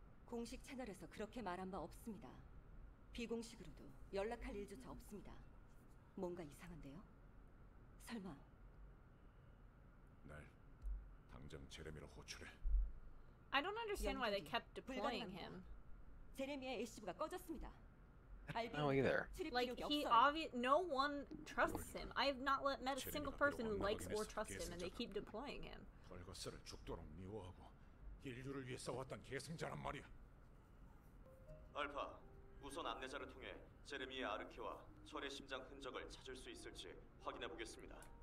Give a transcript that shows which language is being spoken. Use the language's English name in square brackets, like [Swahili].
[Korean] 공식 채널에서 그렇게 말한 바 없습니다. 비공식으로도 연락할 일조차 없습니다. 뭔가 이상한데요? 설마? 날 당장 제레미를 호출해. [English] I don't understand why they kept deploying him. [Korean] 제레미의 에시브가 꺼졌습니다. [English] No either. Like, he no one trusts him. I have not met a single person who likes or trusts him, and they keep deploying him. [Korean] 벌거스를 죽도록 미워하고 인류를 위해 싸웠던 계승자란 말이야. 알파, 우선 안내자를 통해 제레미의 아르케와 철의 심장 흔적을 찾을 수 있을지 확인해 보겠습니다.